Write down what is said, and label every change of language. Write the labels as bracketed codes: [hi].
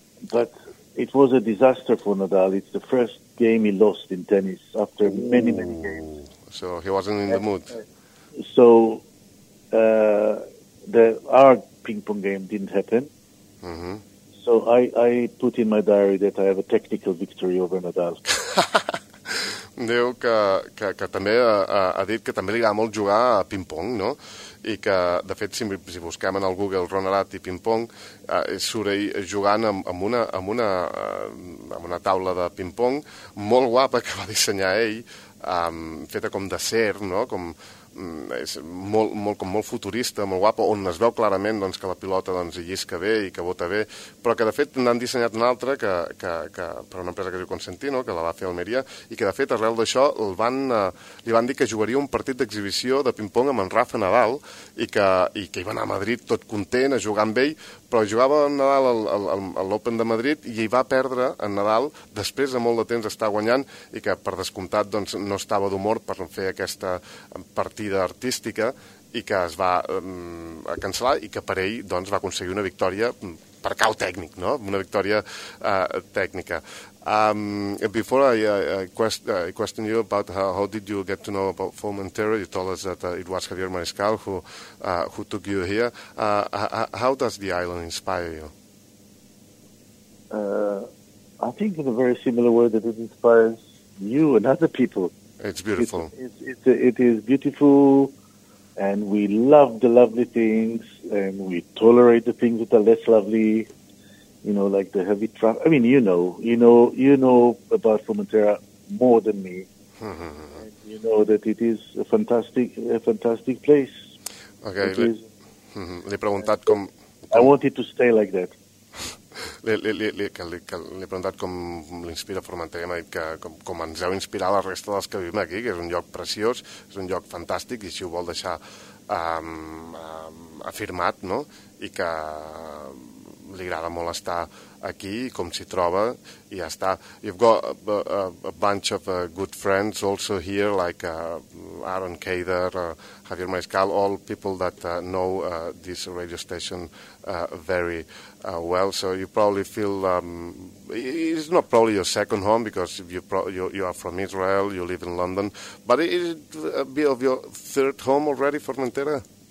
[en] But it was a disaster for Nadal. It's the first game he lost in tennis after many, many games. So he wasn't in the mood. So our ping pong game didn't happen. Mm-hmm. So I put in my diary that I have a technical victory over Nadal. [ca] Diu que també ha dit que també li agrada molt jugar a ping-pong, no? I que, de fet, si busquem en el Google Ron Arad i ping-pong, surt ell jugant amb una taula de ping-pong molt guapa que va dissenyar ell, feta com d'acer, no? Com, és molt, molt, com molt futurista, molt guapa, on es veu clarament doncs, que la pilota doncs, llisca bé i que bota bé, però que de fet n'han dissenyat una altra que per una empresa que es diu Constantino, que la va fer a Almeria, i que de fet arrel d'això li van dir que jugaria un partit d'exhibició de ping-pong amb en Rafa Nadal i que hi va anar a Madrid tot content a jugar amb ell, però jugava en Nadal a l'Open de Madrid i hi va perdre en Nadal després de molt de temps estar guanyant i que per descomptat doncs, no estava d'humor per fer aquesta partida artística i que es va cancel·lar i que per ell doncs, va aconseguir una victòria per cau tècnic, no? Una victòria tècnica. [en] Before I question you about how did you get to know about Formentera, you told us that it was Javier Mariscal who took you here. How does the island inspire you? I think in a very similar way that it inspires you and other people. It's beautiful. It is beautiful, and we love the lovely things, and we tolerate the things that are less lovely. You know, like the heavy traffic. I mean, you know about Formentera more than me. You know that it is a fantastic place. [ca] Okay. Li he preguntat com... [en] I wanted to stay like that. [ca] Li he preguntat com l'inspira Formentera, m'ha dit que com ens heu inspirat la resta dels que vivim aquí, que és un lloc preciós, és un lloc fantàstic, i si ho vol deixar afirmat, no? I que... li agrada molt estar aquí, com s'hi troba, i ja està. [en] You've got a bunch of good friends also here, like Aaron Kader, Javier Mariscal, all people that know this radio station very well. So you probably feel, it's not probably your second home, because you are from Israel, you live in London, but is it a bit of your third home already, Formentera?